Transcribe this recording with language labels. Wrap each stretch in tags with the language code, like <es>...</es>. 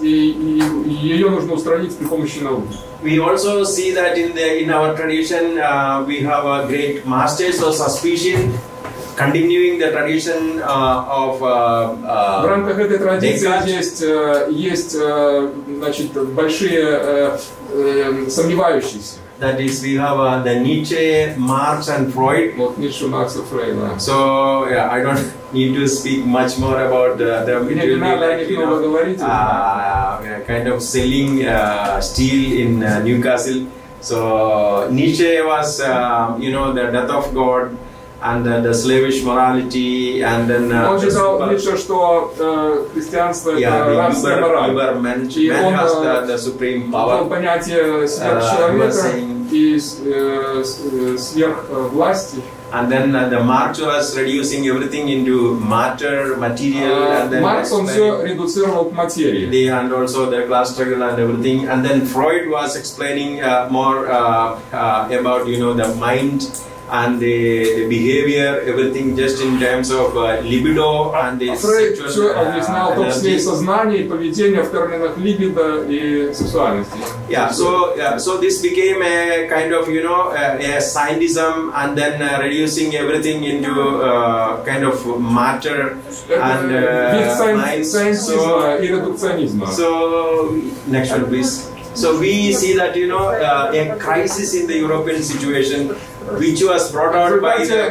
<ru>Её нужно устранить при помощи науки.</ru> <en>We also see that in our tradition we have a great masters of suspicion continuing the tradition of</en> <ru>в рамках этой традиции есть значит большие сомневающиеся.</ru> <en>That is, we have the Nietzsche, Marx, and Freud.</en> <ru>Вот Nietzsche, Marx, and Freud.</ru> <en>So, yeah, I don't need to speak much more about them.</en> <ru>Мне не надо like много говорить.</ru> <en>Kind of selling steel in Newcastle. So Nietzsche was, you know, the death of God, and the slavish morality, and then.</en> <ru>Он писал Nietzsche, что христианство рабская мораль.</ru> <en>Yeah, man has the supreme power.</en> <ru>Он понятие сверхчеловека и сверхвласти.</ru> <en>And then the Marx was reducing everything into matter, material, and then</en> <ru>Marx он все редуцировал к материи.</ru> <en>The and also the class struggle and everything, and then Freud was explaining more about you know the mind and the behavior, everything just in terms of libido and the sexual energy.</en> <ru>Все объяснял то, что сознание и поведение в терминах либидо и сексуальности.</ru> <en>So this became a kind of, you know, a scientism and then reducing everything into kind of matter and mind. So, next one, please. So we see that, you know, a crisis in the European situation which was brought out by the</en>